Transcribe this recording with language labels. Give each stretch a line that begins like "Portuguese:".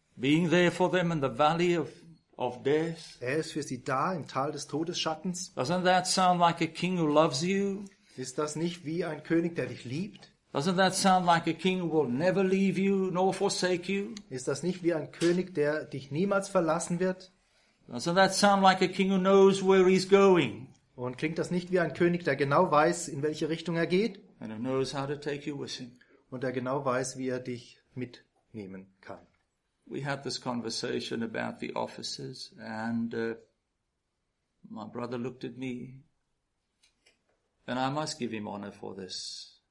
English: Being there for them in the valley of death.
German: Er ist für sie da im Tal des Todesschattens.
English: Doesn't that sound like a king who loves you?
German: Ist das nicht wie ein König, der dich liebt?
English: Doesn't that sound like a king will never leave you nor forsake you?
German: Ist das nicht wie ein König, der dich niemals verlassen wird?
English: Doesn't that sound like a king who knows where he's going?
German: Und klingt das nicht wie ein König, der genau weiß, in welche Richtung er geht?
English: And knows how to take you with him.
German: Und der genau weiß, wie er dich mitnehmen kann.
English: We had this conversation about the offices and my brother looked at me and I must give him honor for this.